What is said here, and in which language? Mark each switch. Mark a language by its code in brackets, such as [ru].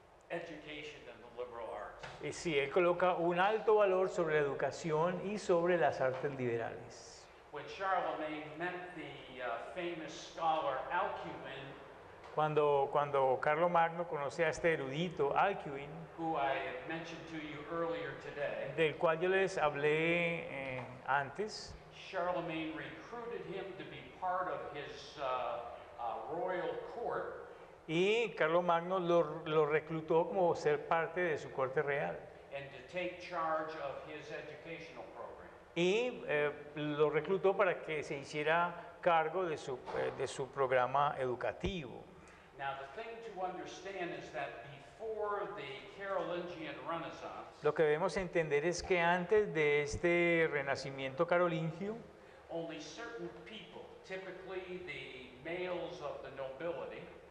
[en] Education and the liberal arts. [es] Y sí, él coloca un alto valor sobre la educación y sobre las artes liberales. [en] When Charlemagne met the famous scholar Alcuin, [es] cuando Carlomagno conoce a este erudito Alcuin, [en] who I mentioned to you earlier today, [es] del cual yo les hablé antes, [en] Charlemagne recruited him to be part of his royal court. [es] Y Carlomagno lo reclutó como ser parte de su corte real. [en] And to take charge of his educational program. [es] Y lo reclutó para que se hiciera cargo de su programa educativo. [en] Now, the thing to understand is that before the Carolingian Renaissance, [es] lo que debemos entender es que antes de este Renacimiento Carolingio, [en] only certain people, typically the males of the nobility,